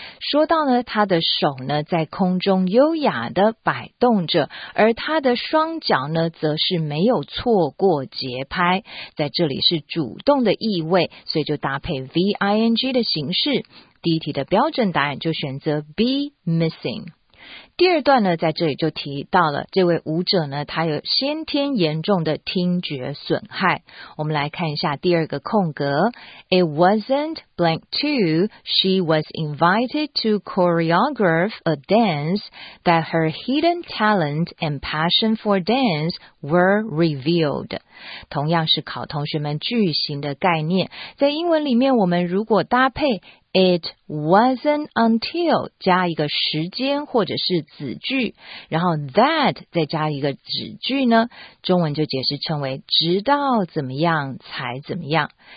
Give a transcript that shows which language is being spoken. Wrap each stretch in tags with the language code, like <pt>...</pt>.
<zh>说到呢，他的手呢在空中优雅的摆动着，而他的双脚呢则是没有错过节拍，在这里是主动的意味，所以就搭配 ving 的形式。第一题的标准答案就选择 be missing。第二段呢，在这里就提到了这位舞者呢，他有先天严重的听觉损害。我们来看一下第二个空格 ，</zh> <en>It wasn't blank two. She was invited to choreograph a dance that her hidden talent and passion for dance were revealed.</en> <zh>同样是考同学们句型的概念，在英文里面，我们如果搭配。</zh> <en>It wasn't until</en> <zh>加一个时间或者是子句，然后 that 再加一个子句呢，中文就解释成为直到怎么样才怎么样。</zh>